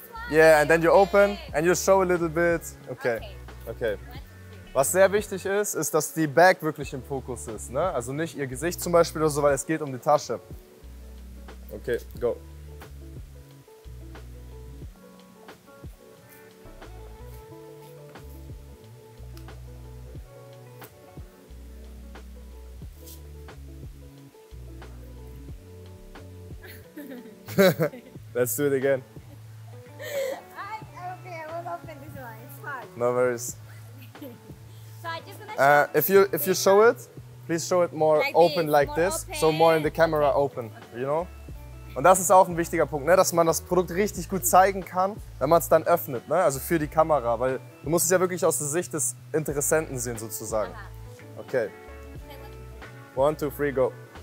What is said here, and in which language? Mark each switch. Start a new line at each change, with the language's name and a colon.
English: Yeah, and then you open and you show a little bit. Okay. Okay.
German: Was sehr wichtig ist, ist, dass die Bag wirklich im Fokus ist, ne? Also nicht ihr Gesicht zum Beispiel oder so, weil es geht um die Tasche.
English: Okay, go. Let's do it again. Okay, I will open this one. It's hard. No worries. So I'm just gonna show if you show it, please show it more like open this, like this, open. So more in the camera open, you know?
German: Und das ist auch ein wichtiger Punkt, ne? Dass man das Produkt richtig gut zeigen kann, wenn man es dann öffnet, ne? Also für die Kamera, weil du musst es ja wirklich aus der Sicht des Interessenten sehen sozusagen.
English: Okay. 1, 2, 3, go.